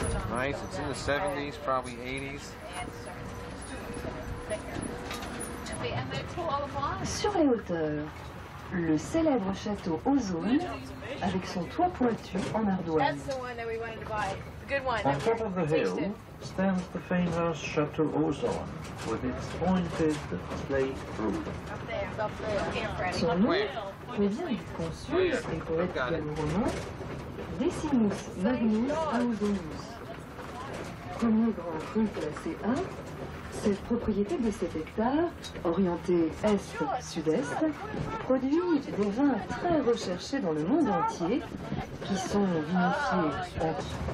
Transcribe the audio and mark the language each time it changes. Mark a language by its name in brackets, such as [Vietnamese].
[English] Nice, it's in the 70s, probably 80s. [French] Surveille-hauteur, le célèbre château Ozone, avec son toit pointu en ardoise. [English] That's the one that we wanted to buy. The good one. On top of the hill stands the famous Chateau Ozone, with its pointed slate roof. Up there, up there. [French] Son nom provient du consul et poète gallo-romain Decimus Magnus Ozonus. Premier grand cru classé A, cette propriété de 7 hectares, orientée est-sud-est, produit des vins très recherchés dans le monde entier, qui sont vinifiés entre...